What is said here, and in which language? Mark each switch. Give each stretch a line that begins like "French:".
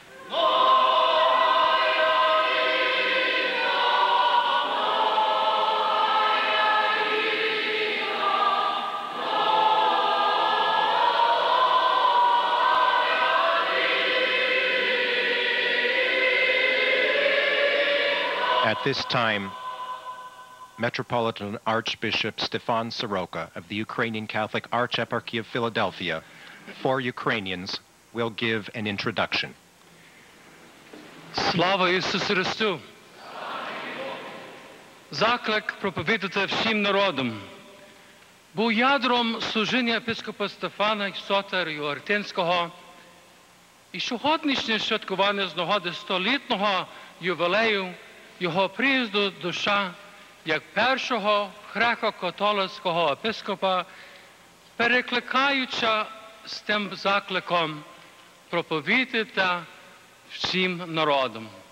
Ukrainian: Моя віра, моя віра, моя віра.
English: this time, Metropolitan Archbishop Stefan Soroka of the Ukrainian Catholic Archeparchy of Philadelphia, for Ukrainians, will give an introduction.
Ukrainian: Слава Ісусу Христу! Заклик проповідати всім народам був ядром служіння єпископа Стефана Сотера Ортинського і сьогоднішнє святкування з нагоди столітнього ювілею його приїзду душа як першого греко-католицького єпископа, перекликаючи з тим закликом проповідати всім народам.